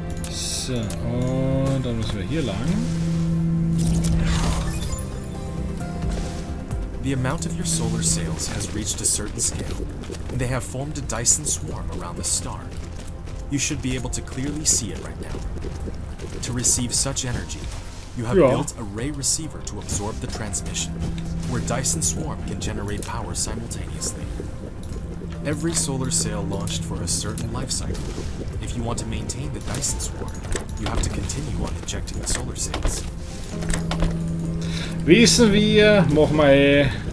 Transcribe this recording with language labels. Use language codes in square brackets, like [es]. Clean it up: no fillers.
[de] So, und dann müssen wir hier lang. [en] The amount of your solar sails has reached a certain scale, and they have formed a Dyson swarm around the star. You should be able to clearly see it right now. To receive such energy, you have built a ray receiver to absorb the transmission, where Dyson swarm can generate power simultaneously. Every solar sail launched for a certain life cycle. If you want to maintain the Dyson swarm, you have to continue on injecting the solar sails. [de] Wissen wir, machen wir eh.